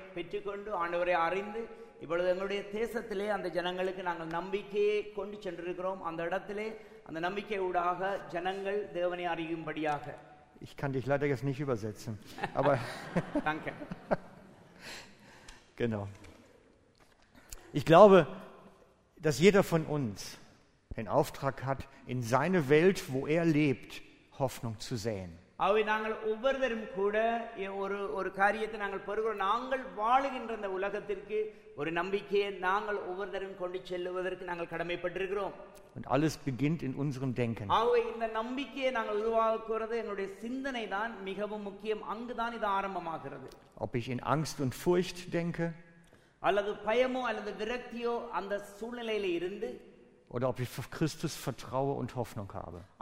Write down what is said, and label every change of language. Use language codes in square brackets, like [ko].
[ta] இப்பொழுது எங்களுடைய தேசத்திலே அந்த ஜனங்களுக்கு நாங்கள் நம்பிக்கையை கொண்டு சென்றிருக்கிறோம் அந்த இடத்திலே அந்த நம்பிக்கை ஊடாக ஜனங்கள் தேவனை அறியும்படியாக [de] Ich kann dich leider jetzt nicht übersetzen, aber Danke. Genau. Ich glaube, dass jeder von uns den Auftrag hat, in seine Welt, wo er lebt, Hoffnung zu säen. [ta] அவை நாங்கள் ஒவ்வொருவரும் கூட ஒரு காரியத்தை நாங்கள் பெறுகிறோம் நாங்கள் வாழுகின்ற இந்த உலகத்திற்கு ஒரு நம்பிக்கையை நாங்கள் ஒவ்வொருவரும் கொண்டு செல்லுவதற்கு நாங்கள் கடமைப்பட்டிருக்கிறோம் [de] Und alles beginnt in unserem Denken. [ta] அவை இந்த நம்பிக்கையை நாங்கள் உருவாக்குறது என்னுடைய சிந்தனை தான் மிகவும் முக்கியம் அங்குதான் இது ஆரம்பமாகிறது [de] Ob ich in Angst und Furcht denke [ta] அல்லது பயமோ அல்லது விரக்தியோ அந்த சூழ்நிலையில இருந்து [de] Oder ob ich auf Christus vertraue und Hoffnung habe.